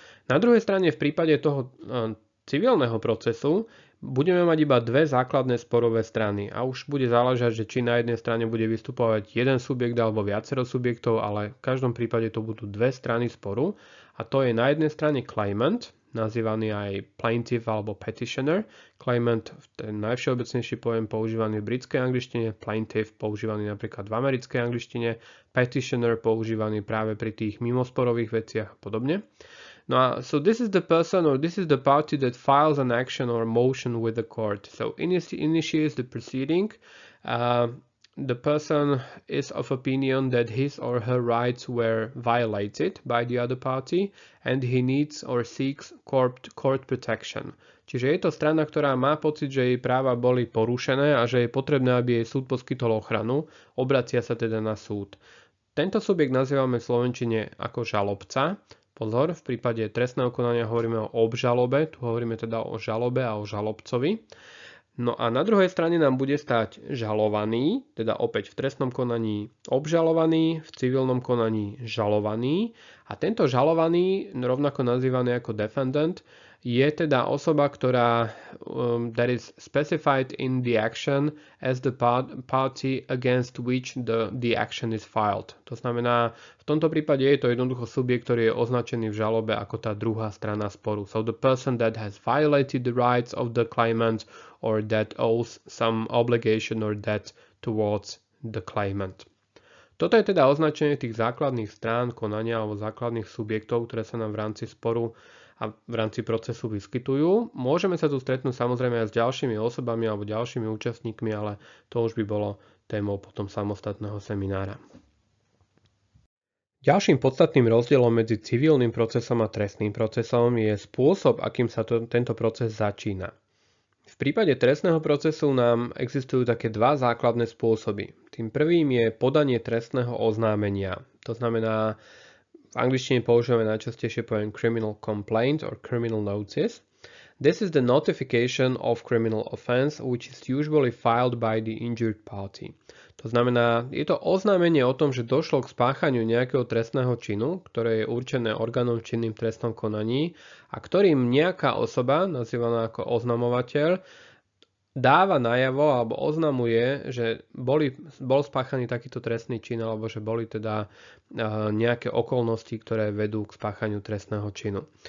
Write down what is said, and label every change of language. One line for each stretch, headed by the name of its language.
Slovak: Na druhej strane v prípade toho civilného procesu budeme mať iba dve základné sporové strany a už bude záležať, že či na jednej strane bude vystupovať jeden subjekt alebo viacero subjektov, ale v každom prípade to budú dve strany sporu a to je na jednej strane claimant, nazývaný aj plaintiff alebo petitioner. Claimant, ten najvšeobecnejší pojem používaný v britskej angličtine, plaintiff používaný napríklad v americkej angličtine, petitioner používaný práve pri tých mimosporových veciach a podobne. No a
English: so this is the person or this is the party that files an action or motion with the court. So initiates the proceeding. The person is of opinion that his or her rights were violated by the other party and he needs or seeks court protection.
Slovak: Čiže je to strana, ktorá má pocit, že jej práva boli porušené a že je potrebné, aby jej súd poskytol ochranu, obracia sa teda na súd. Tento subjekt nazývame v slovenčine ako žalobca. Pozor, v prípade trestného konania hovoríme o obžalobe, tu hovoríme teda o žalobe a o žalobcovi. No a na druhej strane nám bude stať žalovaný, teda opäť v trestnom konaní obžalovaný, v civilnom konaní žalovaný. A tento žalovaný, rovnako nazývaný ako defendant, je teda osoba, ktorá
English: that is specified in the action as the party against which the action is filed.
Slovak: To znamená, v tomto prípade je to jednoducho subjekt, ktorý je označený v žalobe ako tá druhá strana sporu.
English: So the person that has violated the rights of the claimant or that owes some obligation or debt towards the claimant.
Slovak: Toto je teda označenie tých základných strán konania alebo základných subjektov, ktoré sa nám v rámci sporu a v rámci procesu vyskytujú. Môžeme sa tu stretnúť samozrejme aj s ďalšími osobami alebo ďalšími účastníkmi, ale to už by bolo témou potom samostatného seminára. Ďalším podstatným rozdielom medzi civilným procesom a trestným procesom je spôsob, akým sa tento proces začína. V prípade trestného procesu nám existujú také dva základné spôsoby. Tým prvým je podanie trestného oznámenia. To znamená, v angličtine používame najčastejšie pojem
English: criminal complaint or criminal notice. This is the notification of criminal offense, which is usually filed by the injured party.
Slovak: To znamená, je to oznámenie o tom, že došlo k spáchaniu nejakého trestného činu, ktoré je určené orgánom činným v trestnom konaní a ktorým nejaká osoba, nazývaná ako oznamovateľ, dáva najavo alebo oznamuje, že bol spáchaný takýto trestný čin alebo že boli teda nejaké okolnosti, ktoré vedú k spáchaniu trestného činu.